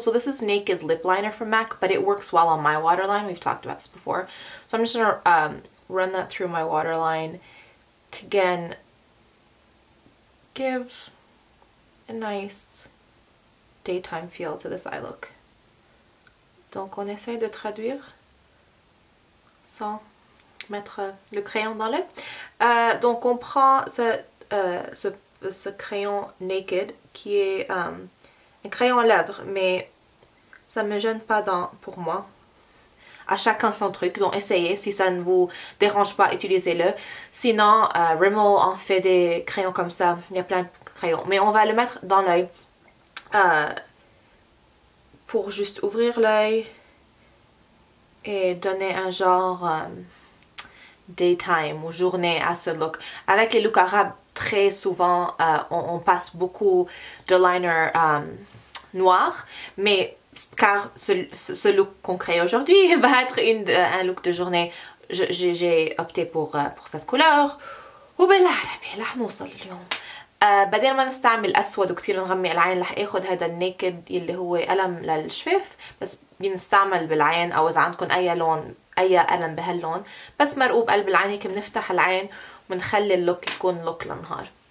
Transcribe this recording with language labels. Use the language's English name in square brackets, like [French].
[English] So this is Naked Lip Liner from MAC, but it works well on my waterline. We've talked about this before. So I'm just going to run that through my waterline to again give a nice daytime feel to this eye look. [French] Donc on essaie de traduire sans mettre le crayon dans l'œil. Donc on prend ce crayon Naked qui est un crayon à lèvres, mais ça me gêne pas pour moi. À chacun son truc, donc essayez, si ça ne vous dérange pas, utilisez-le. Sinon, Rimmel en fait des crayons comme ça, il y a plein de crayons. Mais on va le mettre dans l'œil pour juste ouvrir l'œil et donner un genre daytime ou journée à ce look. Avec les looks arabes, très souvent, on passe beaucoup de liner noir, mais car ce look qu'on crée aujourd'hui va être un look de journée, j'ai opté pour cette couleur, [Arabic] وبالعربي رح نوصل اليوم. بدل ما نستعمل اسود وكتير نغمق العين رح اخذ هذا النيكد اللي هو قلم للشفاف بس بنستعمل بالعين او اذا عندكم اي لون اي قلم بهاللون بس مرقوب قلب العين هيك بنفتح العين ونخلي اللوك يكون لوك للنهار.